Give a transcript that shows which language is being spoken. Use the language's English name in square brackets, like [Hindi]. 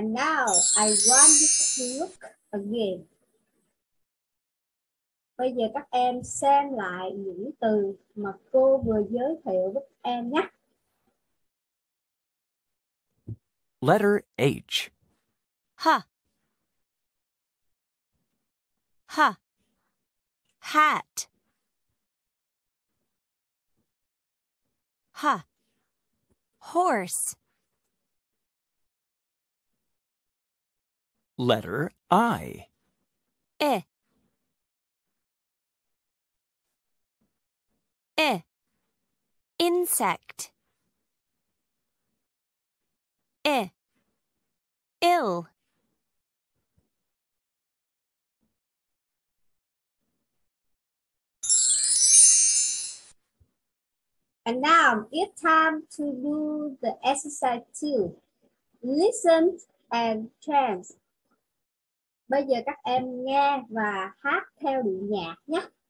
[English] And now I want you to look again. [Vietnamese] Bây giờ các em xem lại những từ mà cô vừa giới thiệu với các em nhé. [English] Letter H. Huh. Huh. Hat. Huh. Horse. Letter I. Eh. Eh. Insect. Eh. Ill. And now it's time to do the exercise 2. Listen and chant. [Vietnamese] Bây giờ các em nghe và hát theo điệu nhạc nhé.